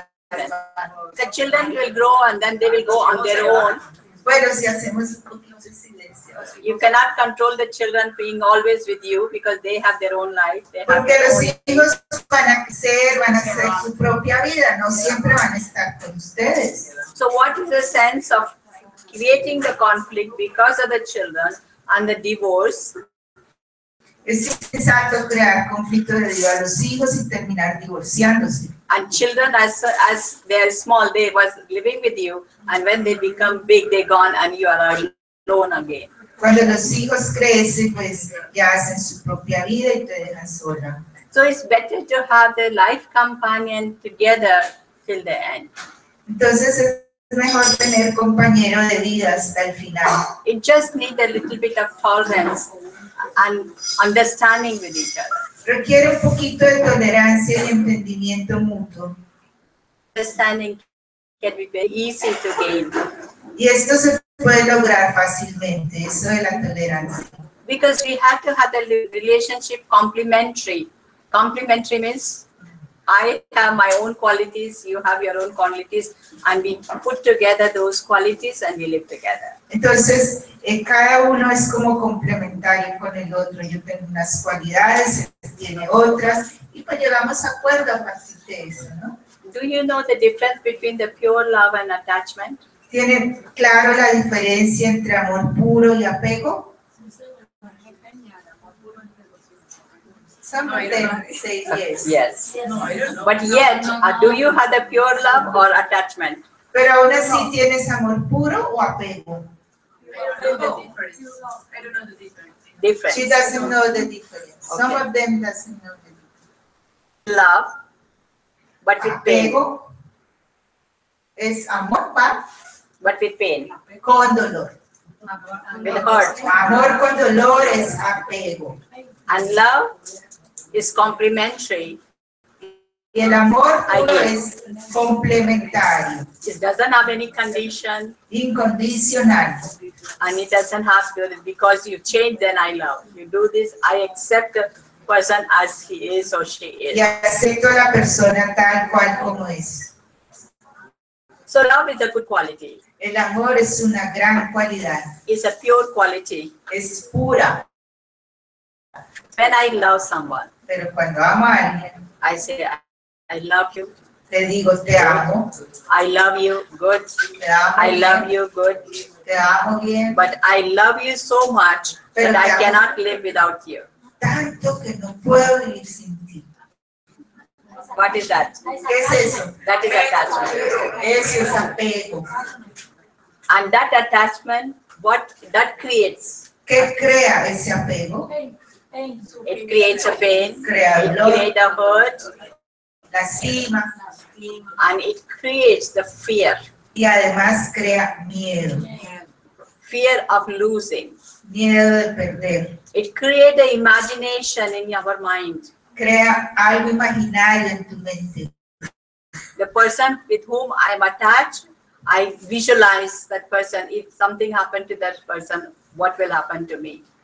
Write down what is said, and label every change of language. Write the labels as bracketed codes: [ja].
[en] The children will grow and then they will go on their own. [es] Bueno, si hacemos un poquito de silencio. [en] You cannot control the children being always with you because they have their own life. [es] Porque los hijos van a ser su propia vida, no siempre van a estar con ustedes. [en] So what is the sense of creating the conflict because of the children and the divorce? [es] Es insensato crear conflicto debido a los hijos y terminar divorciándose. [en] And children, as they are small, they was living with you, and when they become big, they gone, and you are alone again. [es] Cuando los hijos crecen, pues ya hacen su propia vida y te dejan sola. [en] So it's better to have the life companion together till the end. [es] Entonces es mejor tener compañero de vida hasta el final. [en] It just needs a little bit of tolerance and understanding with each other. [es] Requiere un poquito de tolerancia y entendimiento mutuo. [en] Understanding can be very easy to gain. [es] Y esto se puede lograr fácilmente, eso de la tolerancia. [en] Because we have to have the relationship complementary. Complementary means I have my own qualities, you have your own qualities, and we put together those qualities and we live together. [es] Entonces, cada uno es como complementario con el otro. Yo tengo unas cualidades, tiene otras, y pues llegamos a acuerdo a partir de eso, ¿no? [en] Do you know the difference between the pure love and attachment? [es] ¿Tiene claro la diferencia entre amor puro y apego? [en] Some of them say yes. Yes. But yet, do you have the pure love or attachment? [es] Pero aún así, ¿tienes amor puro o apego? [en] I don't know the difference. Difference. She doesn't know the difference. Okay. Some of them doesn't know the difference. Love, but with pain. [es] Apego es amor, [en] but with pain. [es] Con dolor. [en] With heart. [es] Amor con dolor es apego. [en] And love is complementary. [es] Y el amor es complementario. [en] It doesn't have any condition. [es] Incondicional. [en] And it doesn't have to, because you change, then I love. You do this, I accept the person as he is or she is. [es] Y acepto a la persona tal cual como es. [en] So love is a good quality. [es] El amor es una gran cualidad. [en] It's a pure quality. [es] Es pura. [en] When I love someone, [es] pero cuando amo a alguien, [en] I say, I love you. [es] Te digo, te amo. [en] I love you, good. [es] Te amo [en] I love [es] bien. [en] You, good. [es] Te amo bien. [en] But I love you so much [es] pero [en] that I cannot live without you. [es] Tanto que no puedo vivir sin ti. [en] What is that? [es] ¿Qué es eso? [en] That is attachment. [es] Eso es apego. [en] And that attachment, what that creates? [es] ¿Qué crea ese apego? [en] It creates a pain, creates a hurt, [es] lastima, [en] and it creates the fear. [es] Y además crea miedo. [en] Fear of losing. [es] Miedo de perder. [en] It creates the imagination in your mind. [es] Crea algo imaginario en tu mente. [en] The person with whom I am attached, I visualize that person. If something happened to that person, what will happen to me?